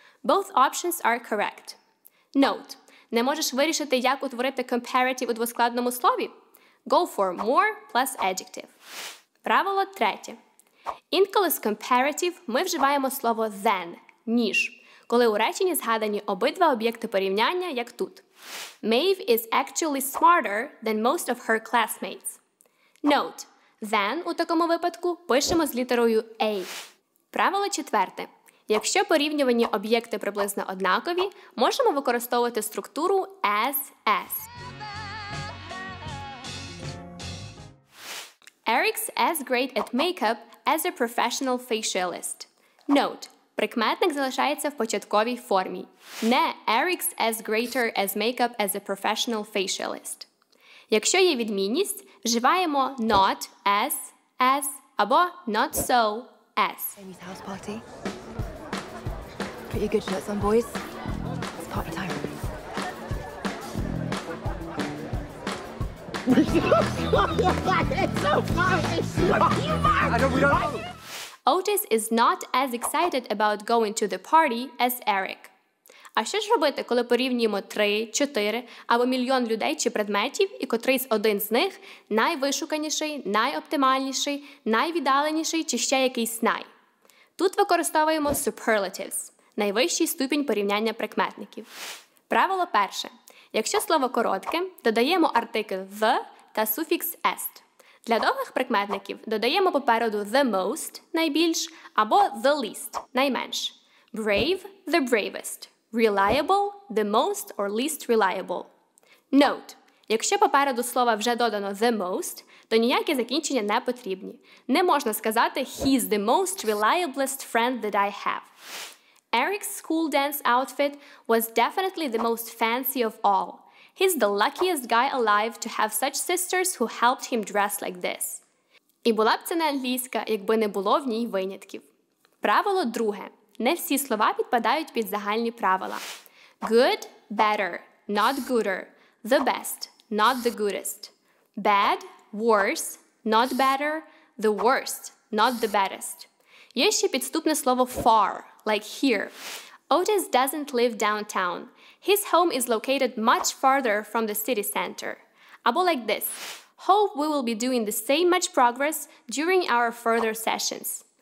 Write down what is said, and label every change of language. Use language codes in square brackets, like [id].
[en] Both options are correct. Note! [uk] Не можеш вирішити, як утворити comparative у двоскладному слові? [en] Go for more plus adjective. [uk] Правило третє. Інколи з comparative ми вживаємо слово than, ніж, коли у реченні згадані обидва об'єкти порівняння, як тут. [en] Maeve is actually smarter than most of her classmates. Note, [uk] than у такому випадку пишемо з літерою A. Правило четверте. Якщо порівнювані об'єкти приблизно однакові, можемо використовувати структуру as-as. [en] Eric's as great at makeup as a professional facialist. [uk] Note, прикметник залишається в початковій формі. [en] Не Eric's as greater as makeup as a professional facialist. [uk] Якщо є відмінність, вживаємо not as-as або not so as. [en] Amy's house party. Put your good shirts on, boys. It's party time. It's so funny. You don't Otis is not as excited about going to the party as Eric. [uk] А що ж робити, коли порівнюємо 3, 4 або мільйон людей чи предметів, і котрийсь один з них – найвишуканіший, найоптимальніший, найвіддаленіший чи ще якийсь най? Тут використовуємо superlatives – найвищий ступінь порівняння прикметників. Правило перше. Якщо слово коротке, додаємо артикль «the» та суфікс «est». Для довгих прикметників додаємо попереду «the most» – найбільш, або «the least» – найменш. [en] «Brave» – «the bravest». «Reliable» – «the most» or «least reliable». Note! [uk] Якщо попереду слова вже додано «the most», то ніякі закінчення не потрібні. Не можна сказати [en] «he's the most reliablest friend that I have». Eric's school dance outfit was definitely the most fancy of all. He's the luckiest guy alive to have such sisters who helped him dress like this. [uk] І була б це не англійська, якби не було в ній винятків. Правило друге. Не всі слова підпадають під загальні правила. [en] Good, better, not gooder. The best, not the goodest. Bad, worse, not better. The worst, not the baddest. [uk] Є ще підступне слово far. [en] Like here. Otis doesn't live downtown. His home is located much farther from the city center. Або like this. Hope we will be doing the same much progress during our further sessions.